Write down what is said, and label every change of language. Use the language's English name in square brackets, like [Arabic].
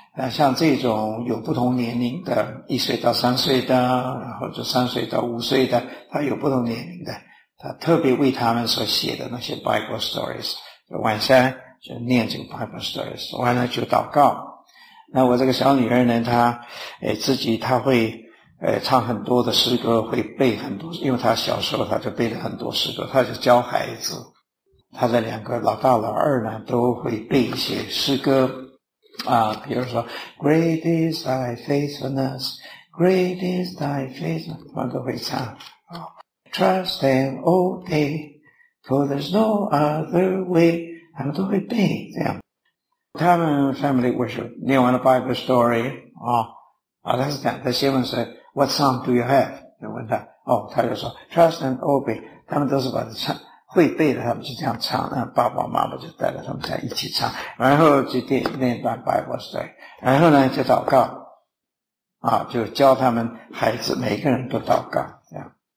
[Chinese] 像这种有不同年龄的，一岁到三岁的，然后就三岁到五岁的，他有不同年龄的，他特别为他们所写的那些 bible stories， 就晚上就念这个 Bible stories， 完了就祷告。那我这个小女儿呢，她自己她会唱很多的诗歌，会背很多，因为她小时候她就背了很多诗歌，她就教孩子。她的两个老大老二呢都会背一些诗歌比如说 [English] Great is thy faithfulness, [Chinese] Great is thy faithfulness， 她都会唱 [English] Trust and obey, For there's no other way， [Chinese] 他们都会背这样。他们 family worship 念完了 Bible story 他是这样，他先问说 [English] What song do you have？ [Chinese] 就问他他就说 [English] Trust and obey， [Chinese] 他们都是把唱会背的，他们就这样唱，那爸爸妈妈就带着他们在一起唱，然后就念一段 Bible story， 然后呢就祷告就教他们孩子每个人都祷告这样。